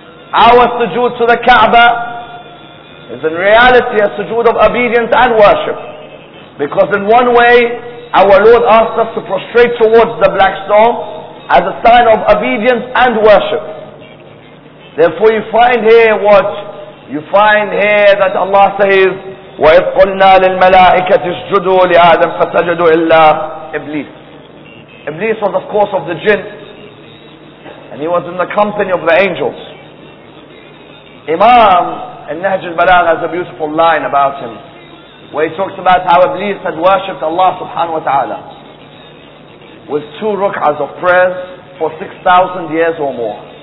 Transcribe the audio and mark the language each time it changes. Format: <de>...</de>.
<en>Our sujood to the Kaaba is in reality a sujood of obedience and worship. Because in one way, our Lord asked us to prostrate towards the black stone as a sign of obedience and worship. Therefore, you find here what? You find here that Allah says,</en> <ar>وَإِذْ قُلْنَا لِلْمَلَائِكَةِ اسْجُدُوا لِآدَمْ فَسَجَدُوا إِلَّا إِبْلِيسِ.</ar> <en>Iblis was, of course, of the jinn. And he was in the company of the angels. Imam in Nahj al-Balagha has a beautiful line about him, where he talks about how Iblis had worshipped Allah subhanahu wa ta'ala with two ruk'ahs of prayers for 6,000 years or more.</en>